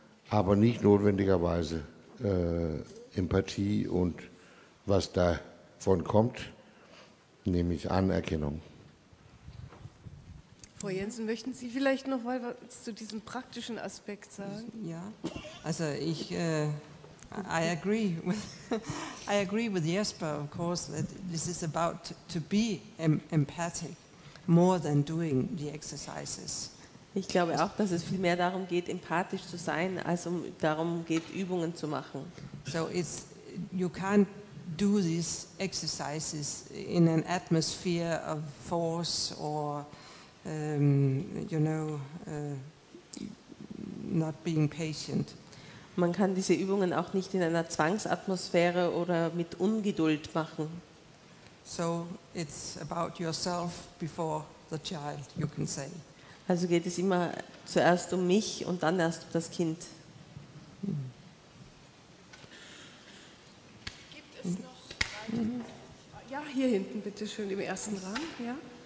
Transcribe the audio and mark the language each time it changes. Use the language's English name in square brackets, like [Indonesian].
[German] Aber nicht notwendigerweise Empathie und was davon kommt, nämlich Anerkennung. Frau Jensen, möchten Sie vielleicht noch mal was zu diesem praktischen Aspekt sagen? Ja, also ich [English] I agree with Jesper, of course, that this is about to be empathic more than doing the exercises. [German] Ich glaube auch, dass es viel mehr darum geht, empathisch zu sein, als darum geht, Übungen zu machen. [English] So it's, you can't do these exercises in an atmosphere of force or not being patient. [German] Man kann diese Übungen auch nicht in einer Zwangsatmosphäre oder mit Ungeduld machen. [English] So it's about yourself before the child, you can say. [German] Also geht es immer zuerst um mich und dann erst um das Kind. Gibt es noch weitere? Ja, hier hinten bitte schön im ersten Rang. Ja.